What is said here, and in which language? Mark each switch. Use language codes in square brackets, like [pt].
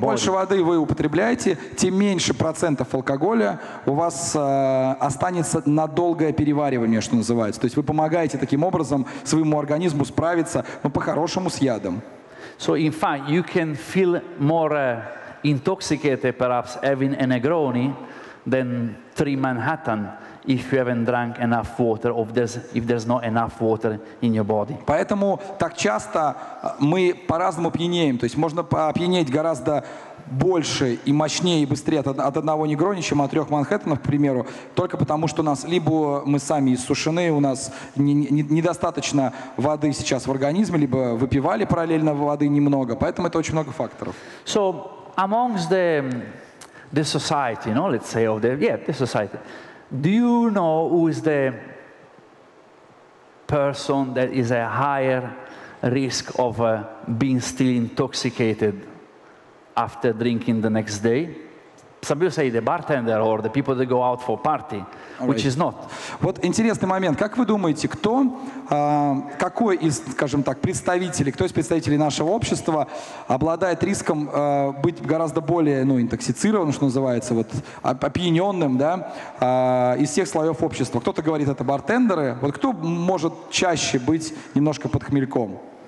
[ru] Чем больше воды вы употребляете, тем меньше процентов алкоголя у вас останется на долгое переваривание, что называется. То есть вы помогаете таким образом своему организму справиться, ну, по-хорошему, с ядом. [en] So, in fact, you can feel more intoxicated, perhaps, having a Negroni, than three Manhattan if you haven't drank enough water, or if there's not enough water in your body. [ru] Поэтому так часто мы по-разному пьянеем. То есть можно опьянеть гораздо больше и мощнее и быстрее от одного негрони, чем от трех Манхэттенов, к примеру, только потому, что у нас либо мы сами иссушены, у нас недостаточно воды сейчас в организме, либо выпивали параллельно воды немного. Поэтому это очень много факторов. [en] So, amongst the society, you know, let's say, of the, yeah, the society, do you know who is the person that is a higher risk of being still intoxicated after drinking the next day? Some people say the bartender or the people that go out for party, right, which is not. [ru] Вот интересный момент. Как вы думаете, кто, какой из, скажем так, представителей, кто из представителей нашего общества обладает риском быть гораздо более, ну, интоксицированным, что называется, вот, опьяненным, да, из всех слоев общества? Кто-то говорит, это бартендеры. Вот кто может чаще быть немножко под хмельком?